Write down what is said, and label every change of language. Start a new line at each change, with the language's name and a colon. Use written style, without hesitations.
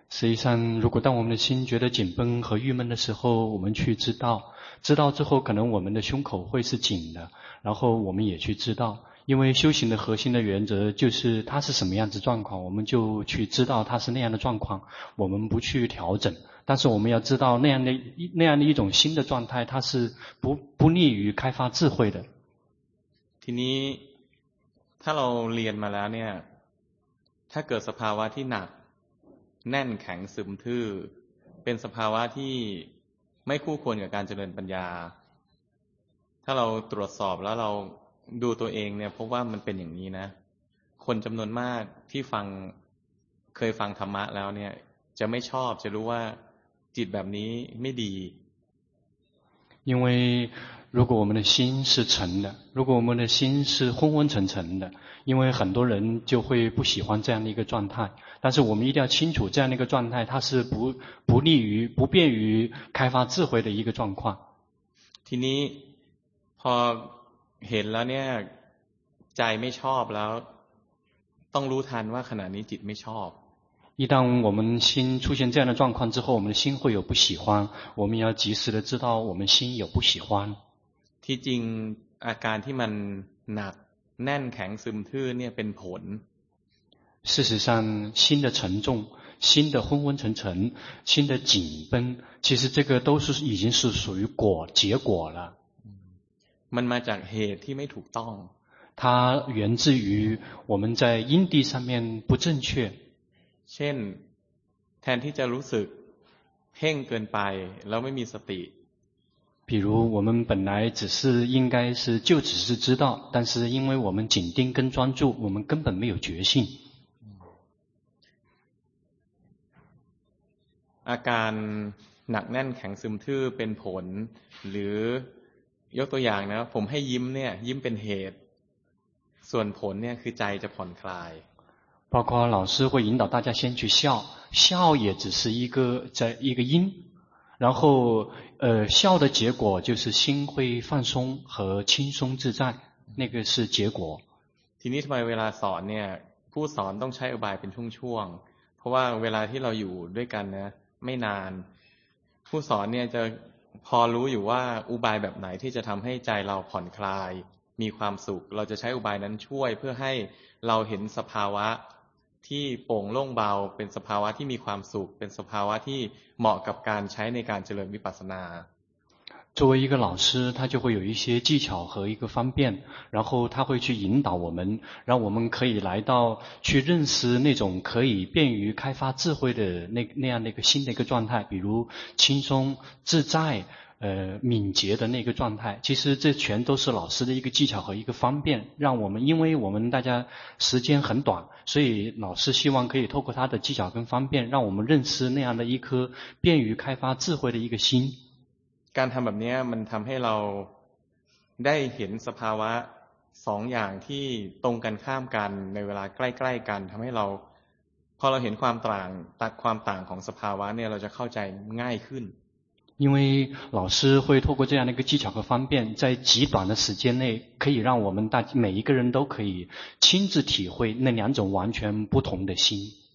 Chinese: 实际上如果当我们的心觉得紧绷和郁闷的时候我们去知道之后可能我们的胸口会是紧的然后我们也去知道因为修行的核心的原则就是它是什么样子状况我们就去知道它是那样的状况我们不去调整但是我们要知道那样的一种新的状态它是不利于开发智慧的
Thai: ทีนี้ถ้าเราเรียนมาแล้วเนี่ยถ้าเกิดสภาวะที่หนักแน่นแข็งซึมทื่อเป็นสภาวะที่ไม่คู่ควรกับการเจริญปัญญาถ้าเราตรวจสอบแล้วเราดูตัวเองเนี่ยพบว่ามันเป็นอย่างนี้นะคนจำนวนมากที่ฟังเคยฟังธรรมะแล้วเนี่ยจะไม่ชอบจะรู้ว่าจิตแบบนี้ไม่ดี
Chinese: 因为如果我们的心是沉的，如果我们的心是昏昏沉沉的，因为很多人就会不喜欢这样的一个状态，但是我们一定要清楚这样的一个状态它是不利于不便于开发智慧的一个状况。
Thai: ทีนี้พอเห็นแล้วเนี่ยใจไม่ชอบแล้วต้องรู้ทันว่าขณะนี้จิตไม่ชอบ
Chinese: 一旦我们心出现这样的状况之后，我们的心会有不喜欢，我们要及时的知道我们心有不喜欢。
Thai: ที่จริงอาการที่มันหนักแน่นแข็งซึมทื่อเนี่ยเป็นผล
Chinese: 事实上心的沉重心的昏昏沉沉心的紧绷其实这个都是已经是属于果结果了
Thai: มันมาจากเหตุที่ไม่ถูกต้อง
Chinese: 它源自于我们在因地上面不正确
Thai: เช่นแทนที่จะรู้สึกเพ่งเกินไปแล้วไม่มีสติ
Chinese: 比如我们本来只是应该是就只是知道但是因为我们紧盯跟专注我们根本没有决心
Thai: อาการหนักแน่นแข็งซึมทื่อเป็นผลหรือยกตัวอย่างนะผมให้ยิ้มเนี่ยยิ้มเป็นเหตุส่วนผลเนี่ยคือใจจะผ่อนคลาย
Chinese: 包括老师会引导大家先去笑，笑也只是一个在一个因，然后笑的结果就是心会放松和轻松自在，那个是结果。
Thai: ทีนี้ทำไมเวลาสอนเนี่ยผู้สอนต้องใช้อุบายเป็นช่วงช่วงเพราะว่าเวลาที่เราอยู่ด้วยกันนะไม่นานผู้สอนเนี่ยจะพอรู้อยู่ว่าอุบายแบบไหนที่จะทำให้ใจเราผ่อนคลายมีความสุขเราจะใช้อุบายนั้นช่วยเพื่อให้เราเห็นสภาวะที่โปร่งโล่งเบาเป็นสภาวะที่มีความสุขเป็นสภาวะที่เหมาะกับการใช้ในการเจริญวิปัสสนา
Chinese: 作为一个老师他就会有一些技巧和一个方便然后他会去引导我们让我们可以来到去认识那种可以便于开发智慧的 那样的一个新的一个状态比如轻松自在敏捷的那个状态其实这全都是老师的一个技巧和一个方便让我们因为我们大家时间很短所以老师希望可以透过他的技巧跟方便让我们认识那样的一颗便于开发智慧的一个心
Thai: การทำแบบนี้มันทำให้เราได้เห็นสภาวะสองอย่างที่ตรงกันข้ามกันในเวลาใกล้ๆกันทำให้เราพอเราเห็นความต่างตัดความต่างของสภาวะเนี่ยเราจะเข้าใจง่ายขึ้น
Chinese: 因为老师会透过这样的一个技巧和方便在极短的时间内可以让我们大每一个人都可以亲自体会那两种完全不同的心